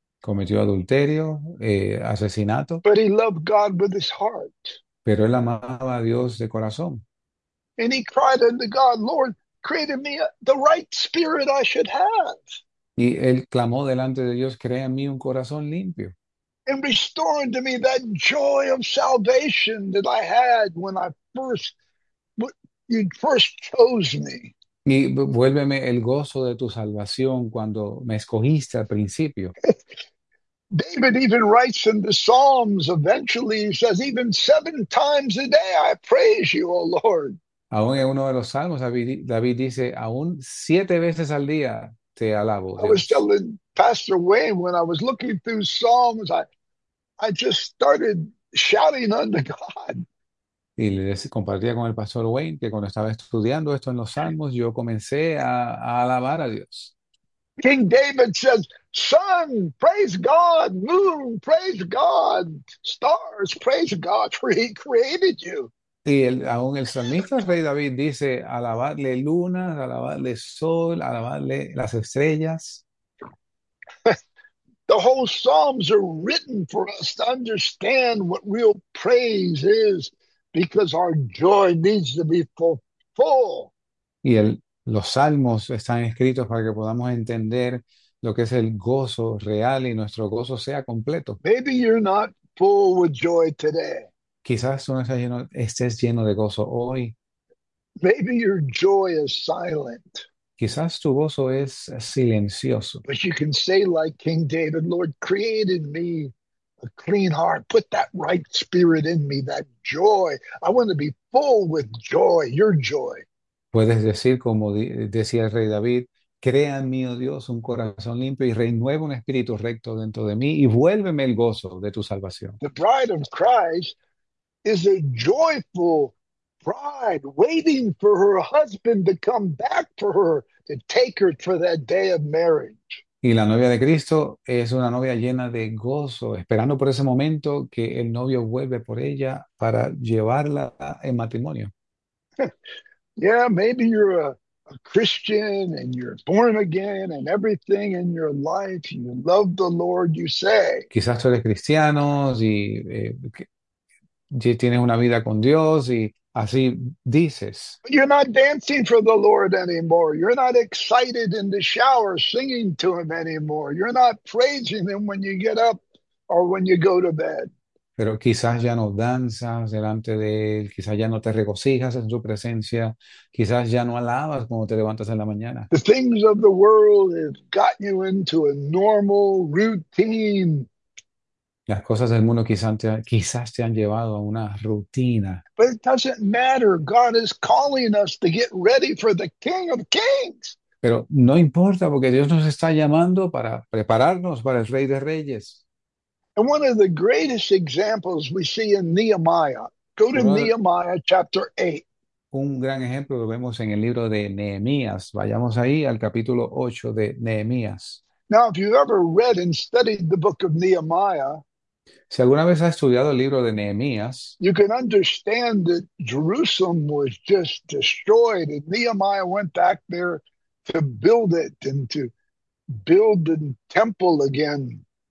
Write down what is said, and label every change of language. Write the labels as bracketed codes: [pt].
[es] Cometió adulterio, asesinato, [en] But he loved God with his heart. [es] pero él amaba a Dios de corazón. [en] And he cried unto God, Lord, create in me the right spirit I should have. [es] Y él clamó delante de Dios, crea en mí un corazón limpio. [en] And restore unto me that joy of salvation that I had when I first. You first chose me. [es] Y vuélveme el gozo de tu salvación cuando me escogiste al principio. [en] David even writes in the Psalms eventually, he says, even seven times a day I praise you, O Lord. [es] Aún en uno de los salmos, David dice, aún 7 veces al día. Te alabo, [en] I was telling Pastor Wayne when I was looking through Psalms, I just started shouting unto God. [es] Y les compartía con el pastor Wayne que cuando estaba estudiando esto en los Salmos, yo comencé a alabar a Dios. [en] King David says, Sun, praise God, moon, praise God, stars, praise God, for he created you. [es] Y aún el salmista, el rey David, dice, alabadle lunas, alabadle sol, alabadle las estrellas. [en] Whole Psalms are written for us to understand what real praise is, because our joy needs to be full. [es] Y los salmos están escritos para que podamos entender lo que es el gozo real y nuestro gozo sea completo. [en] Maybe you're not full with joy today. [es] Quizás tú no estés lleno de gozo hoy. [en] Maybe your joy is silent. [es] Quizás tu gozo es silencioso. [en] But you can say, like King David, Lord, created me a clean heart. Put that right spirit in me, that joy. I want to be full with joy, your joy. [es] Puedes decir, como decía el rey David, crea en mí, oh Dios, un corazón limpio y renueva un espíritu recto dentro de mí y vuélveme el gozo de tu salvación. [en] The bride of Christ is a joyful bride waiting for her husband to come back for her to take her for that day of marriage. [es] Y la novia de Cristo es una novia llena de gozo, esperando por ese momento que el novio vuelve por ella para llevarla en matrimonio. [en] Yeah, maybe you're a Christian and you're born again and everything in your life, you love the Lord, you say. [es] Quizás tú eres cristiano y tienes una vida con Dios y así dices. [en] You're not dancing for the Lord anymore. You're not excited in the shower singing to him anymore. You're not praising him when you get up or when you go to bed. [es] Pero quizás ya no danzas delante de él, quizás ya no te regocijas en su presencia, quizás ya no alabas cuando te levantas en la mañana. [en] The things of the world have got you into a normal routine. [es] Las cosas del mundo quizás te han llevado a una rutina. [en] But it doesn't matter. God is calling us to get ready for the King of Kings. [es] Pero no importa porque Dios nos está llamando para prepararnos para el Rey de Reyes. [en] And one of the greatest examples we see in Nehemiah. Go to Nehemiah chapter 8. [es] Un gran ejemplo lo vemos en el libro de Nehemías. Vayamos ahí al capítulo 8 de Nehemías. [en] Now, if you've ever read and studied the book of Nehemiah, [es] Si alguna vez has estudiado el libro de Nehemías, [en] you can understand that Jerusalem was just destroyed, and Nehemiah went back there to build it and to build the temple again.